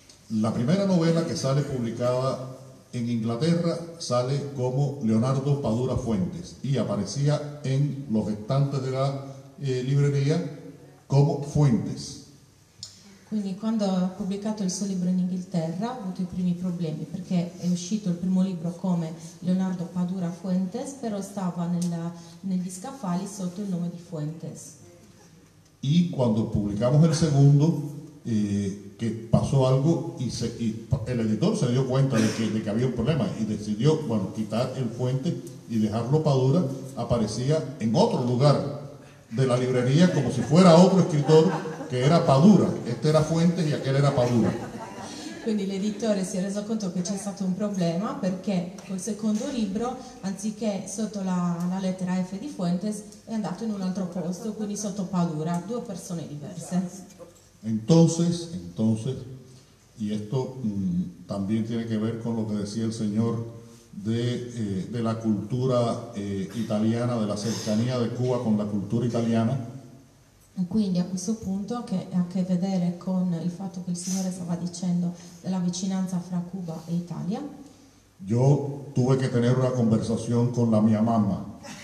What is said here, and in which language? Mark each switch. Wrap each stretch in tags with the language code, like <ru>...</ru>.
<es>La primera novela que sale publicada en Inglaterra sale como Leonardo Padura Fuentes y aparecía en los estantes de la librería como Fuentes.</es> <it>Quindi quando ha pubblicato il suo libro in Inghilterra ha avuto i primi problemi perché è uscito il primo libro come Leonardo Padura Fuentes, però stava negli scaffali sotto il nome di Fuentes.</it> <es>Y cuando publicamos el segundo que pasó algo y el editor se dio cuenta de que había un problema y decidió, bueno, quitar el Fuente y dejarlo Padura, aparecía en otro lugar de la librería como si fuera otro escritor que era Padura, este era Fuente y aquel era Padura.</es> <it>Quindi l'editore si è reso conto che c'è stato un problema perché col secondo libro, anziché sotto la lettera F di Fuentes, è andato in un altro posto, quindi sotto Padura, due persone diverse.</it> <es>Entonces, y esto también tiene que ver con lo que decía el señor de la cultura italiana, de la cercanía de Cuba con la cultura italiana.</es> <it>Quindi a questo punto che ha a che vedere con il fatto che il Signore stava dicendo della vicinanza fra Cuba e Italia.</it> <es>Yo tuve que tener una conversación con la mia mamma.</es>